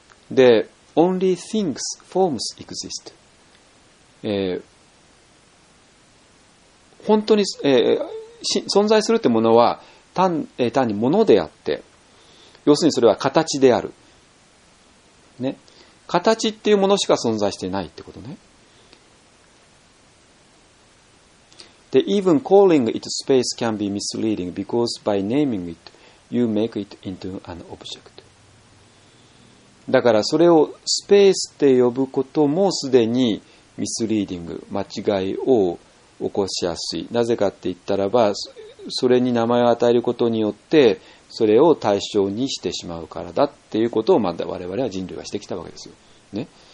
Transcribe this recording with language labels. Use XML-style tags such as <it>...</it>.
<ja>で、</ja> <en>only things, forms exist.、</en> <ja>本当に、存在するというものは 単にものであって、要するにそれは形である。ね、形っていうものしか存在していないってことね。</ja> <en>The even calling it space can be misleading because by naming it, you make it into an object.</en> <ja>だからそれをスペースって呼ぶこともすでにミスリーディング、間違いを起こしやすい。なぜかって言ったらば、それに名前を与えることによって、それを対象にしてしまうからだっていうことを、まだ我々は人類はしてきたわけですよ。ね。</ja>